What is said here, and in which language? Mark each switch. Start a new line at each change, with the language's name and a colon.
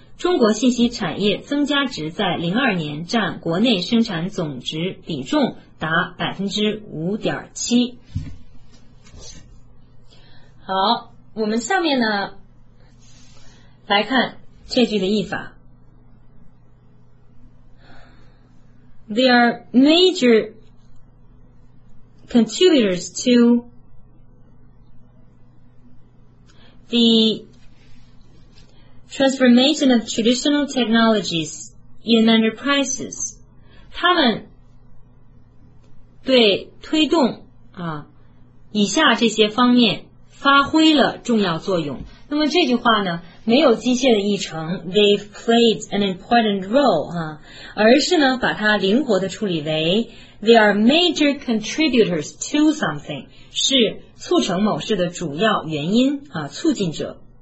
Chinese: 中国信息产业增加值在02年占国内生产总值比重达 5.7%。好，我们下面呢来看这句的译法。
English: They are major contributors to the transformation of traditional technologies in enterprises.
Chinese: 他们对推动以下这些方面发挥了重要作用。那么这句话呢，没有机械的译成
English: they've played an important role
Chinese: 而是呢把它灵活的处理为
English: they are major contributors to something,
Chinese: 是促成某事的主要原因促进者。